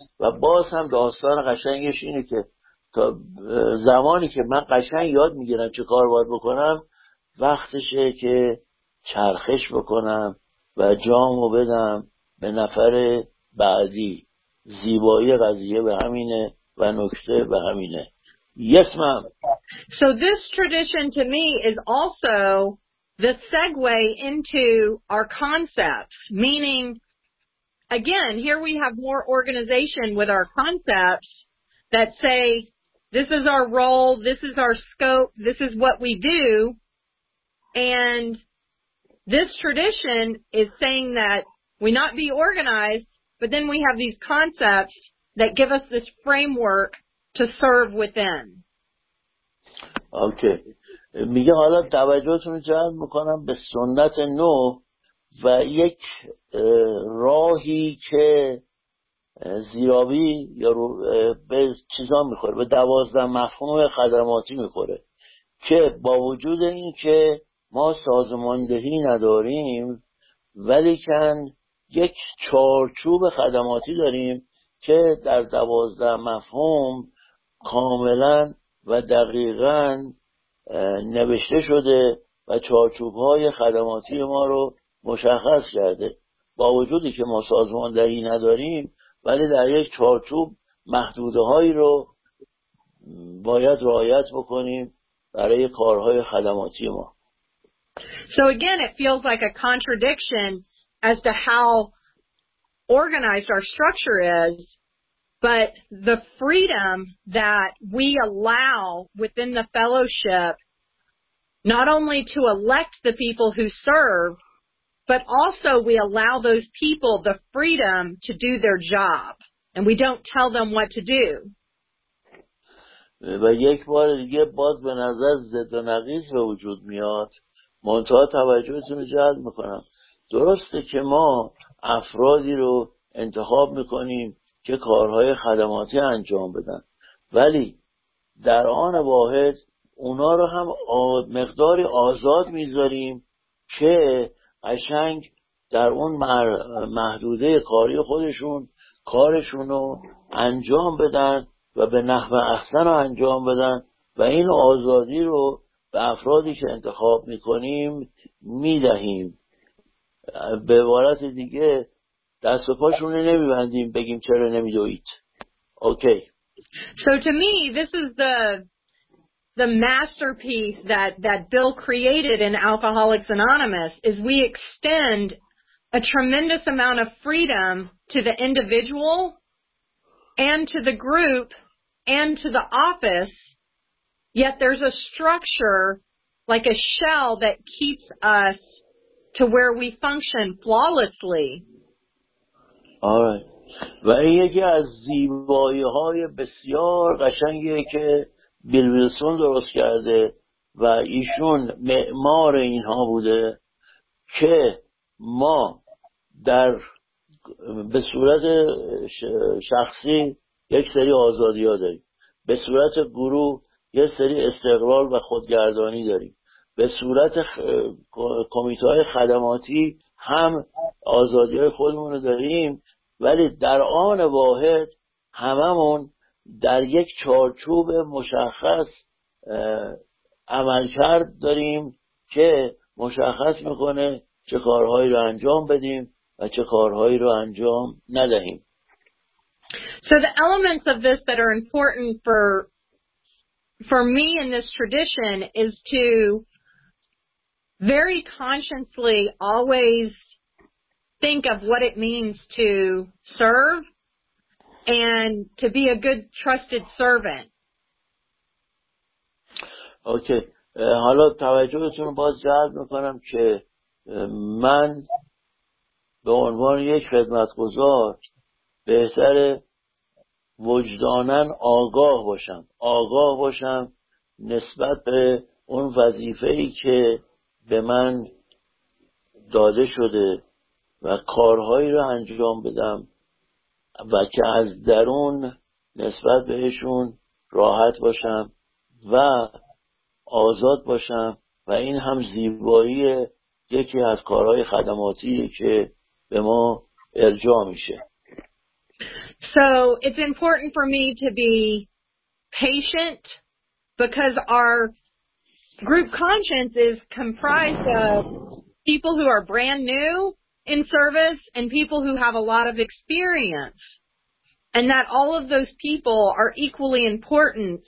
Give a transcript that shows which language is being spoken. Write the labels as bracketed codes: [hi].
[fa] و باز هم داستان قشنگش اینه که تا زمانی که من قشنگ یاد میگیرم چه کار باید بکنم، وقتشه که چرخش بکنم و جامو بدم به نفر بعدی. زیبایی قضیه به همینه و نکته به همینه. [en] Yes, ma'am. So this tradition to me is also the segue into our concepts, meaning, again, here we have more organization with our concepts that say, this is our role, this is our scope, this is what we do. And this tradition is saying that we not be organized, but then we have these concepts that give us this framework to serve within. Okay. [fa] میگه حالا توجهتون رو جلب میکنم به سنت نو و یک راهی که زیرابی یا رو به چیزا میخوره، به 12 مفهوم خدماتی میخوره، که با وجود این که ما سازماندهی نداریم، ولیکن یک چارچوب خدماتی داریم که در 12 مفهوم کاملا و دقیقا نوشته شده و چارچوب‌های خدماتی ما رو مشخص کرده. با وجودی که ما سازماندهی نداریم، ولی در یک چارچوب محدوده‌هایی رو باید رعایت بکنیم برای کارهای خدماتی ما. [en] So again, it feels like a contradiction as to how organized our structure is, but the freedom that we allow within the fellowship, not only to elect the people who serve, but also we allow those people the freedom to do their job, and we don't tell them what to do. [fa] و یک بار دیگه باز به نظر ضد و نقیض به وجود میاد. منتها توجهتون رو جلب میکنم. درسته که ما افرادی رو انتخاب میکنیم که کارهای خدماتی انجام بدن، ولی در آن واحد اونا رو هم مقداری آزاد میذاریم که قشنگ در اون محدوده کاری خودشون کارشون رو انجام بدن و به نحو احسن رو انجام بدن. و این آزادی رو به افرادی که انتخاب میکنیم میدهیم. به عبارت دیگه دست و پاشون رو نمیبندیم بگیم چرا نمیدوید. [en] Okay. So to me, this is the masterpiece that Bill created in Alcoholics Anonymous, is we extend a tremendous amount of freedom to the individual and to the group and to the office, yet there's a structure like a shell that keeps us to where we function flawlessly. All right. [fa] و این یکی از زیبایی های بسیار قشنگیه که بیل ویلسون درست کرده و ایشون معمار اینها بوده، که ما در به صورت شخصی یک سری آزادی ها داریم، به صورت گروه یک سری استقلال و خودگردانی داریم، به صورت کمیته های خدماتی هم آزادی های خودمون رو داریم، ولی در آن واحد هممون در یک چارچوب مشخص عملکرد داریم که مشخص میکنه چه کارهایی رو انجام بدیم و چه کارهایی رو انجام ندهیم. [en] So the elements of this that are important for me in this tradition is to very consciously always think of what it means to serve and to be a good trusted servant. Okay. [fa] حالا توجهتون رو باز جلب میکنم که من به عنوان یک خدمتگزار بهتر وجدانن آگاه باشم. آگاه باشم نسبت به اون وظیفه‌ای که به من داده شده و کارهایی رو انجام بدم و که از درون نسبت بهشون راحت باشم و آزاد باشم و این هم زیبایی یکی از کارهای خدماتی که به ما ارجاع میشه. [en] So it's important for me to be patient because our group conscience is comprised of people who are brand new in service and people who have a lot of experience, and that all of those people are equally important.